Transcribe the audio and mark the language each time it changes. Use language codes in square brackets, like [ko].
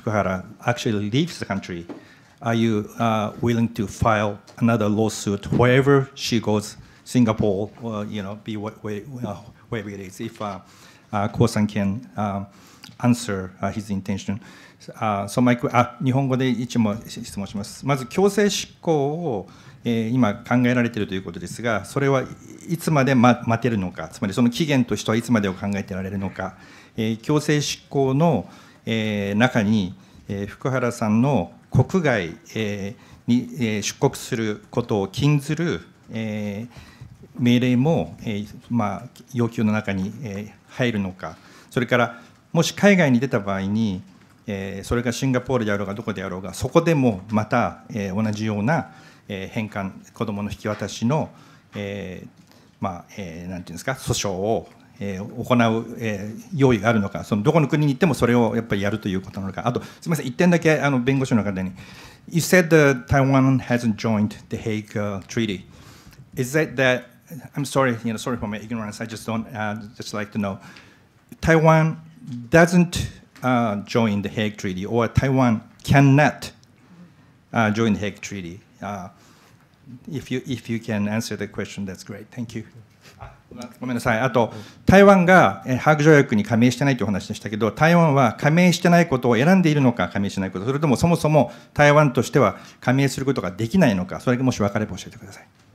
[en] Fukuhara actually leaves the country, are you willing to file another lawsuit wherever she goes, Singapore, or, you know, be wherever it is, if Kuo-san can answer his intention. [ja] So, Mike, 日本語で一問質問します。まず、強制執行を、今考えられているということですが、それはいつまで待てるのか、つまりその期限としてはいつまでを考えてられるのか、強制執行の中に福原さんの国外に出国することを禁ずる命令も要求の中に入るのか、それからもし海外に出た場合に、それがシンガポールであろうがどこであろうが、そこでもまた同じような返還、子どもの引き渡しの、なんていうんですか、訴訟を行う用意があるのか、そのどこの国に行ってもそれをやっぱりやるということなのか、あとすみません、1点だけ弁護士の方に、 You said that Taiwan hasn't joined the Hague Treaty. [en] Is that that, I'm sorry, you know, sorry for my ignorance, I just don't, just like to know, Taiwan doesn't join the Hague Treaty, or Taiwan cannot join the Hague Treaty? If you can answer the question, that's great, thank you. [ja] ごめんなさい。あと台湾がハーグ条約に加盟してないという話でしたけど、台湾は加盟してないことを選んでいるのか、加盟してないこと、それともそもそも台湾としては加盟することができないのか、それもし分かれば教えてください。